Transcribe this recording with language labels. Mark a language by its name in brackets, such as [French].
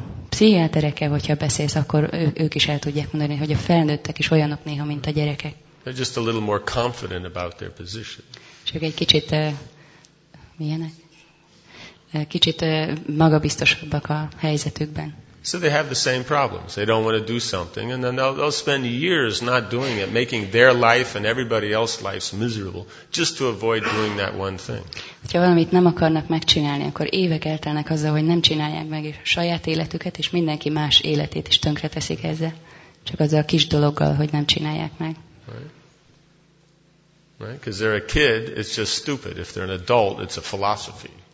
[Hungarian] Pszichiáterekkel, hogyha beszélsz, akkor ők is el tudják mondani, hogy a felnőttek is olyanok néha, mint a gyerekek. [English] They're just a little more confident about their position. [Hungarian] Csak egy kicsit milyenek? Kicsit magabiztosabbak a helyzetükben. [English] So they have the same problems. They don't want to do something, and then they'll spend years not doing it, making their life and everybody else's lives miserable, just to avoid doing that one thing. [Hungarian] Ha valamit nem akarnak megcsinálni, akkor évek eltelnek azzal, hogy nem csinálják meg a saját életüket, és mindenki más életét is tönkreteszik ezzel, csak azzal a kis dologgal, hogy nem csinálják meg. [English] Right? Because they're a kid, it's just stupid. If they're an adult, it's a philosophy.